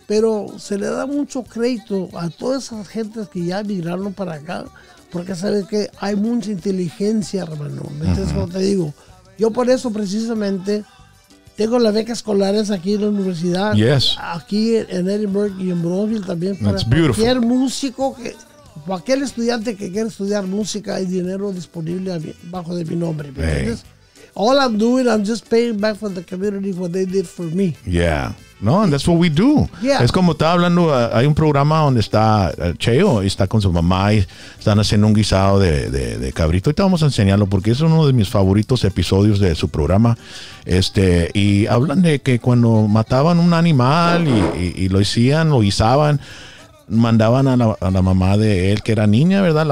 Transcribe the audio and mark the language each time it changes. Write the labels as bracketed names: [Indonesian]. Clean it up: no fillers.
[Spanish] Pero se le da mucho crédito a todas esas gentes que ya emigraron para acá, porque sabes que hay mucha inteligencia, hermano. ¿Entiendes lo que te digo? Yo por eso, precisamente, tengo las becas escolares aquí en la universidad. [English] Yes. [Spanish] Aquí en Edinburgh y en Brownsville también. Para cualquier músico que... O aquel estudiante que quiere estudiar música, hay dinero disponible bajo de mi nombre. [English] All I'm doing, I'm just paying back for the community what they did for me. Yeah. No, and that's what we do. Yeah. [Spanish] Es como estaba hablando, hay un programa donde está Cheo y está con su mamá y están haciendo un guisado de cabrito. Ahorita vamos a enseñarlo porque es uno de mis favoritos episodios de su programa. Y hablan de que cuando mataban un animal y lo hacían, lo guisaban, mandaban a la mamá de él, que era niña, ¿verdad?